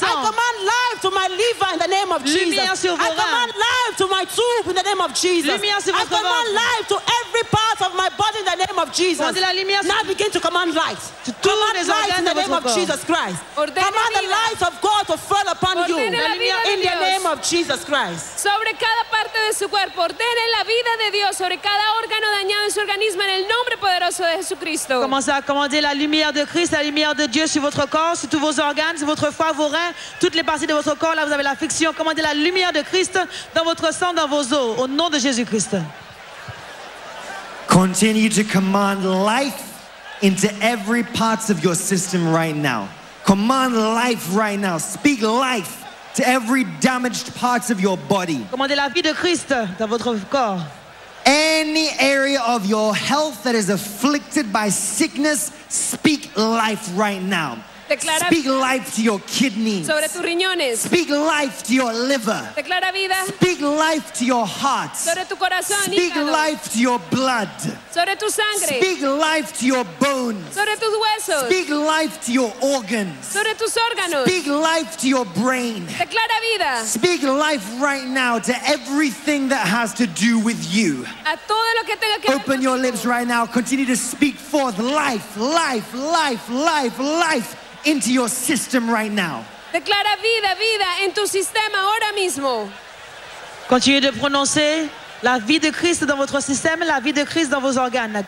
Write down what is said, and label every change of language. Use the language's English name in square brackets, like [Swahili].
[English] I command life to my liver in the name of Jesus. I command life to my tube in the name of Jesus. I command life to every part of my body in the name of Jesus. Now begin to command light. To command light in the name of Jesus Christ. [Spanish] Ordene [English] command the light of God to fall upon you in the name of Jesus Christ. [Spanish] Sobre cada parte de su cuerpo, ordene la vida de Dios sobre cada órgano dañado en su organismo en el nombre poderoso de Jesucristo. [French] Commencez à commander la lumière de Christ, la lumière de Dieu sur votre corps, sur tous vos organes, sur votre foie, vos reins, toutes les parties de votre corps. Là, vous avez l'affliction. Commandez la lumière de Christ dans votre sang, dans vos os, au nom de Jésus Christ. [English] Continue to command life into every part of your system right now. Command life right now. Speak life to every damaged part of your body. [French] Commandez la vie de Christ dans votre corps. [English] Any area of your health that is afflicted by sickness, speak life right now. [Spanish] Declara [English] speak life to your kidneys. [Spanish] Sobre tus riñones. [English] Speak life to your liver. [Spanish] Declara vida. [English] Speak life to your heart. [Spanish] Sobre tu corazón, [English] speak [Spanish] hígado. [English] Life to your blood. [Spanish] Sobre tu sangre. [English] Speak life to your bones. [Spanish] Sobre tus huesos. [English] Speak life to your organs. [Spanish] Sobre tus órganos. [English] Speak life to your brain. [Spanish] Declara vida. [English] Speak life right now to everything that has to do with you. [Spanish] A todo lo que tenga que [English] open [Spanish] ver [English] your lips right now. Continue to speak forth life, life, life, life, life into your system right now. [Spanish] Declara vida, vida en tu sistema ahora mismo. [French] Continue de prononcer la vie de Christ dans votre système, la vie de Christ dans vos organes.